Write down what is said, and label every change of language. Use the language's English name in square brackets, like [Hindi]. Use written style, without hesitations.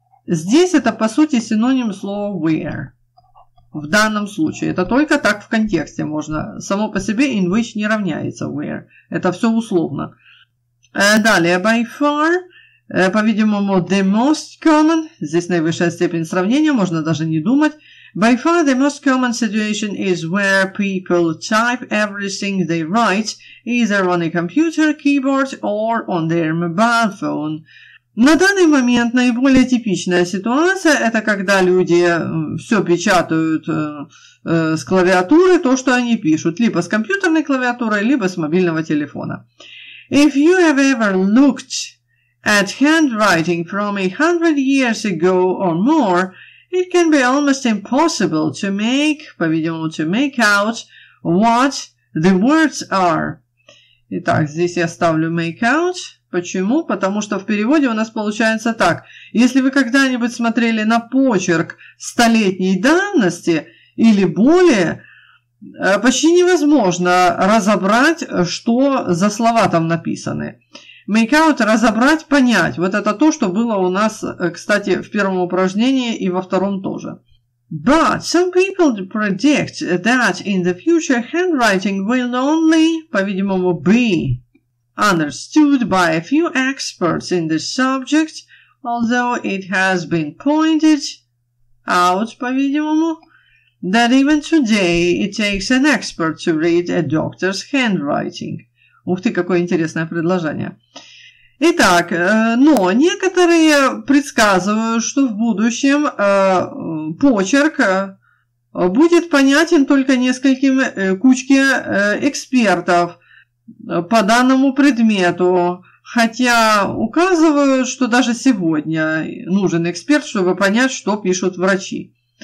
[Russian] Здесь это, по сути, синоним слова [English] where. [Russian] В данном случае. Это только так в контексте можно. Само по себе [English] in which [Russian] не равняется [English] where. [Russian] Это все условно. Далее, [English] by far, [Russian] по-видимому, [English] the most common. [Russian] Здесь наивысшая степень сравнения, можно даже не думать. [English] By far, the most common situation is where people type everything they write either on a computer, keyboard or on their mobile phone. [Russian] На данный момент наиболее типичная ситуация – это когда люди все печатают с клавиатуры, то, что они пишут, либо с компьютерной клавиатурой, либо с мобильного телефона. [English] If you have ever looked at handwriting from 100 years ago or more, it can be almost impossible to make, [Russian] по-видимому, [English] to make out what the words are. [Russian] Итак, здесь я ставлю [English] make out. [Russian] Почему? Потому что в переводе у нас получается так. Если вы когда-нибудь смотрели на почерк столетней давности или более, почти невозможно разобрать, что за слова там написаны. [English] Make out [Russian] – разобрать, понять. Вот это то, что было у нас, кстати, в первом упражнении и во втором тоже. [English] But some people predict that in the future handwriting will only, [Russian] по-видимому, [English] be understood by a few experts in the subject, although it has been pointed out, по-видимому, that even today it takes an expert to read a doctor's handwriting. [Russian] Ух ты, какое интересное предложение. Итак, но некоторые предсказывают, что в будущем почерк будет понятен только нескольким кучке экспертов по данному предмету, хотя указывают, что даже сегодня нужен эксперт, чтобы понять, что пишут врачи.